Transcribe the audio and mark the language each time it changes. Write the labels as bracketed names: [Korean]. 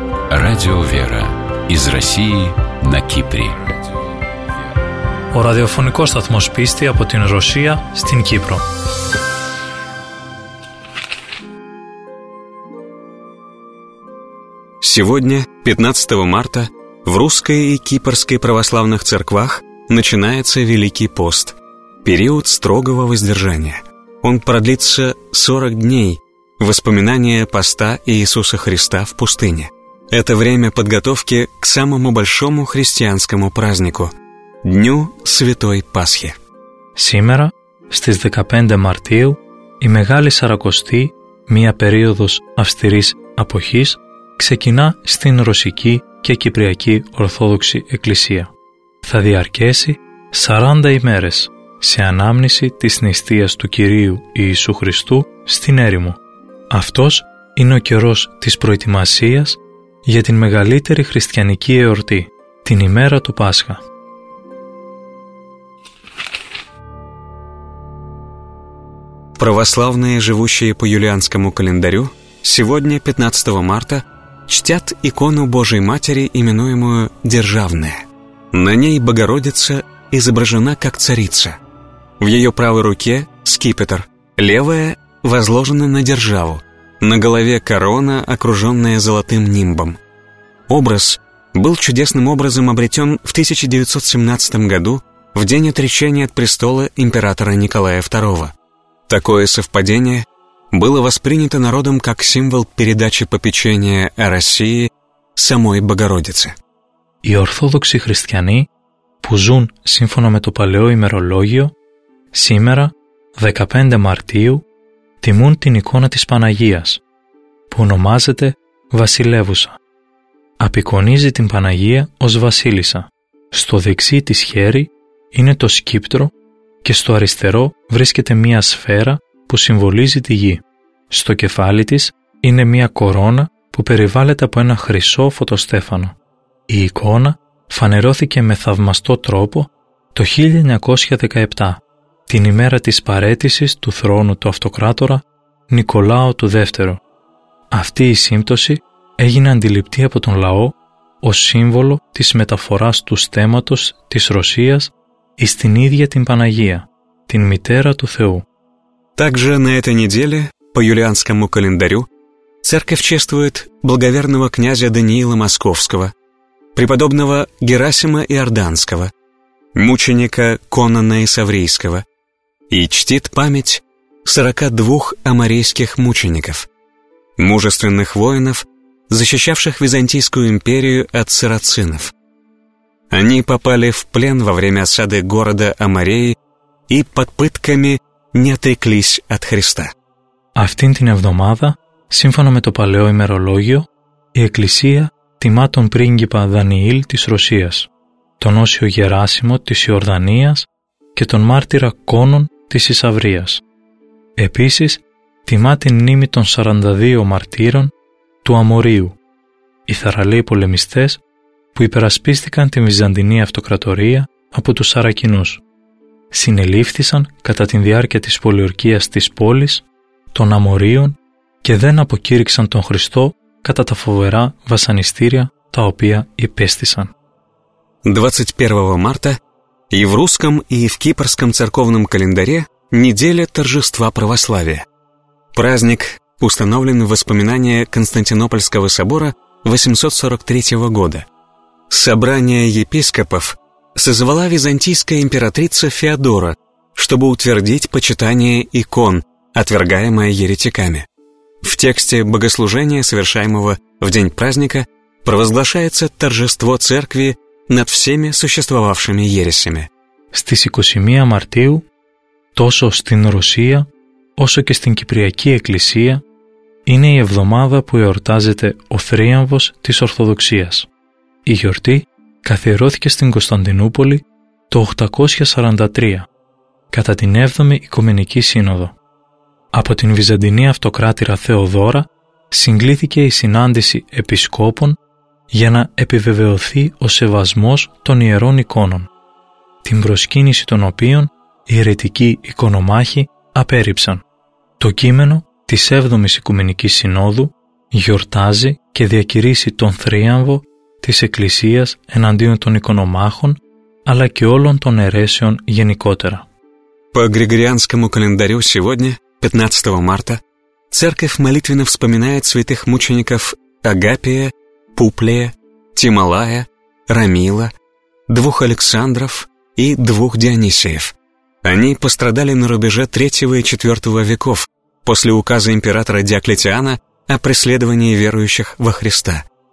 [Russian] Радио «Вера» из России на Кипре. [Greek] О радиофонικό сатмо шписти από την Ρωσία στην Κύπρο. [Russian] Сегодня, 15 марта, в русской и кипрской православных церквах начинается Великий пост, период строгого воздержания. Он продлится 40 дней, воспоминание поста Иисуса Христа в пустыне. Это время подготовки к самому большому христианскому празднику – Дню Святой Пасхи. Сегодня, [Greek] στις 15 Μαρτίου, η Μεγάλη Σαρακοστή, μια περίοδος αυστηρής αποχής, ξεκινά στην Ρωσική και Κυπριακή Ορθόδοξη Εκκλησία. Θα διαρκέσει 40 ημέρες σε ανάμνηση της νηστείας του Κυρίου Ιησού Χριστού στην έρημο. Αυτός είναι ο καιρός της προετοιμασίας για την μεγαλύτερη χριστιανική εορτή, την ημέρα του Πάσχα. [Russian] Православные, живущие по юлианскому календарю, сегодня, 15 марта, чтят икону Божией Матери, именуемую Державная. На ней Богородица изображена как царица. В ее правой руке скипетр, левая возложена на державу, на голове корона, окруженная золотым нимбом. Образ был чудесным образом обретен в 1917 году, в день отречения от престола императора Николая II. Такое совпадение было воспринято народом как символ передачи попечения о России самой Богородице. [Greek] Οι ορθόδοξοι χριστιανοί που ζουν σύμφωνα με το παλαιό ημερολόγιο σήμερα 15 Μαρτίου τιμούν την εικόνα της Παναγίας που ονομάζεται Βασιλεύουσα. Απεικονίζει την Παναγία ως Βασίλισσα. Στο δεξί της χέρι είναι το σκύπτρο και στο αριστερό βρίσκεται μία σφαίρα που συμβολίζει τη γη. Στο κεφάλι της είναι μία κορώνα που περιβάλλεται από ένα χρυσό φωτοστέφανο. Η εικόνα φανερώθηκε με θαυμαστό τρόπο το 1917, την ημέρα της παραίτησης του θρόνου του αυτοκράτορα Νικολάου του Δεύτερου. Αυτή η σύμπτωση έγινε αντιληπτή από τον λαό ως σύμβολο της μεταφοράς του στέματος της Ρωσίας εις την ίδια την Παναγία, την Μητέρα του Θεού. [Russian] Также на этой неделе, по юлианскому календарю, церковь чествует благоверного князя Даниила Московского, преподобного Герасима Иорданского, мученика Конана Исаврийского, и чтит память 42 амарийских мучеников, мужественных воинов, защищавших Византийскую империю от сарацинов. Они попали в плен во время осады города Амареи и под пытками не отреклись от Христа. [Greek] Αυτήν την εβδομάδα, σύμφωνα με το παλαιό ημερολόγιο, η Εκκλησία τιμά τον πρίγκιπα Δανιήλ της Ρωσίας, τον Όσιο Γεράσιμο της Ιορδανίας και τον μάρτυρα Κόνων της Ισαυρίας. Επίσης, τιμά την μνήμη των 42 μαρτύρων του Αμορίου, οι θαραλέοι πολεμιστές που υπερασπίστηκαν τη Βυζαντινή Αυτοκρατορία από τους Σαρακινούς. Συνελήφθησαν κατά τη διάρκεια της πολιορκίας της πόλης των Αμορίων και δεν αποκήρυξαν τον Χριστό κατά τα φοβερά βασανιστήρια τα οποία υπέστησαν. [Russian] 21 Μάρτα и в русском, и в кипрском церковном календаре неделя торжества православия. Праздник установлен в воспоминание Константинопольского собора 843 года. Собрание епископов созвала византийская императрица Феодора, чтобы утвердить почитание икон, отвергаемое еретиками. В тексте богослужения, совершаемого в день праздника, провозглашается торжество церкви над всеми существовавшими ересями. [Greek] Στις 21 Μαρτίου, τόσο στην Ρωσία, όσο και στην Κυπριακή Εκκλησία, είναι η εβδομάδα που εορτάζεται ο θρίαμβος της Ορθοδοξίας. Η γιορτή καθιερώθηκε στην Κωνσταντινούπολη το 843, κατά την 7η Οικουμενική Σύνοδο. Από την Βυζαντινή Αυτοκράτηρα Θεοδώρα συγκλήθηκε η συνάντηση επισκόπων για να επιβεβαιωθεί ο σεβασμός των ιερών εικόνων, την προσκύνηση των οποίων οι αιρετικοί εικονομάχοι απέρριψαν. Το κείμενο της 7ης Οικουμενικής Συνόδου γιορτάζει και διακηρύσει τον θρίαμβο της Εκκλησίας εναντίον των οικονομάχων αλλά και όλων των αιρέσεων γενικότερα. [Russian] По Григорианскому календарю сегодня, 15 марта, церковь молитвенно вспоминает святых мучеников Агапия, Пуплия, Тималая, Рамила, двух Александров и двух Дионисиев. Они пострадали на рубеже 3 и 4 веков после указа императора Диоклетиана о преследовании верующих во Христа.